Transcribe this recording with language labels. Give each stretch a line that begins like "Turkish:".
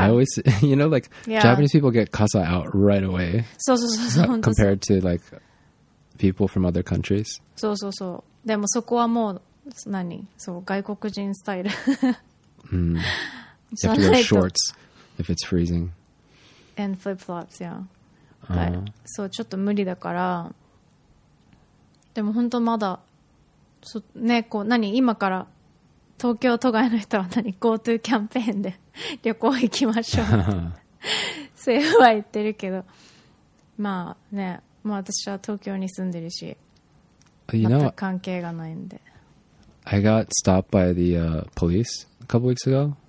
English: I always, you know, like, yeah. Japanese people get kasa out right away. So, so, so, so. Compared to, like, people from other countries. So, so, so.
Japanese: でもそこはもう、何?そう、外国人スタイル。
English: You have to wear shorts if it's freezing. And flip-flops, yeah.
Japanese: そう、ちょっと無理だから。でも本当まだ、そね、こう、何?今から。東京都外の人は何 GoTo キャンペーンで旅行行きましょう政府は言ってるけどまあねもう私は東京に住んでるし全く関係がないんで
English: I got stopped by the police a couple weeks ago